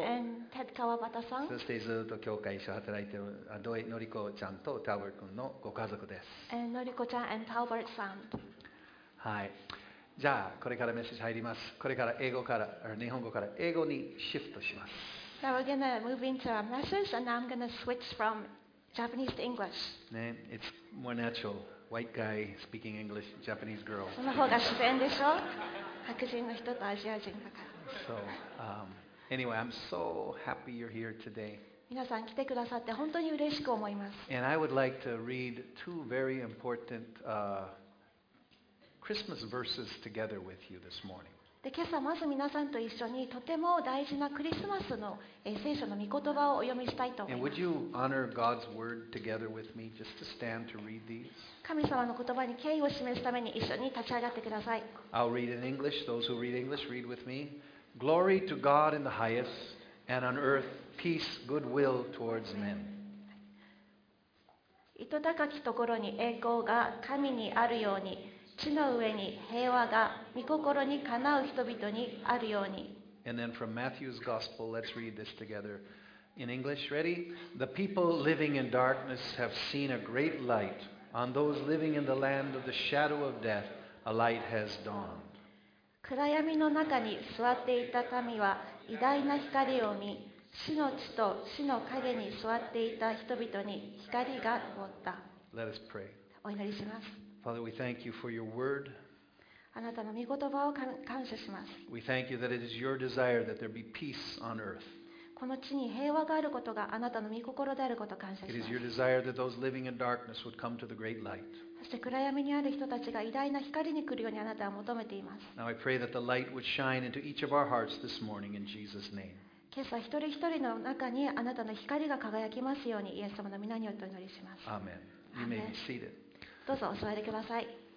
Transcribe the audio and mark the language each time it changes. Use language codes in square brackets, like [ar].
[ja] Ted Kawabata さん。そしてずっと教会一緒に働いてるドエ・ノリコちゃんとタウバル君のご家族です。ノリコちゃん and タウバルさん。はい。じゃあこれからメッセージ入ります。これから英語から日本語から英語にシフトします。 [en] So we're gonna move into our message, and now I'm gonna switch from Japanese to English. ね、it's more natural. White guy speaking English, Japanese girl. [ja] その方が自然でしょ。白人の人とアジア人だから。 [en] So, anyway, I'm so happy you're here today. [ja] 皆さん来てくださって本当に嬉しく思います。 [en] And I would like to read two very important Christmas verses together with you this morning. [ja] で、今朝まず皆さんと一緒にとても大事なクリスマスの聖書の御言葉をお読みしたいと思います。 [en] And would you honor God's word together with me, just to stand to read these? [ja] 神様の言葉に敬意を示すために一緒に立ち上がってください。 [en] I'll read in English. Those who read English, read with me. Glory to God in the highest, and on earth peace, goodwill towards men. [ja] 糸高きところに栄光が神にあるように、地の上に平和が御心にかなう人々にあるように。 [en] And then from Matthew's Gospel, let's read this together in English. Ready? The people living in darkness have seen a great light. On those living in the land of the shadow of death, a light has dawned. [ja] 暗闇の中に座っていた民は偉大な光を見、死の地と死の影に座っていた人々に光が灯った。 [en] Let us pray. [ja] お祈りします。 [en] Father, we thank you for your word. [ja] あなたの御言葉を感謝します。 [en] We thank you that it is your desire that there be peace on earth. [ja] この地に平和があることがあなたの御心であることを感謝します。 [en] It is your desire that those living in darkness would come to the great light. [ja] そして暗闇にある人たちが偉大な光に来るようにあなたは求めています。 [en] Now I pray that the light would shine into each of our hearts this morning in Jesus' name. [ja] 今朝一人一人の中にあなたの光が輝きますようにイエス様の御名によってお祈りします。 [en] Amen. You may be seated. [ja] どうぞお座りください。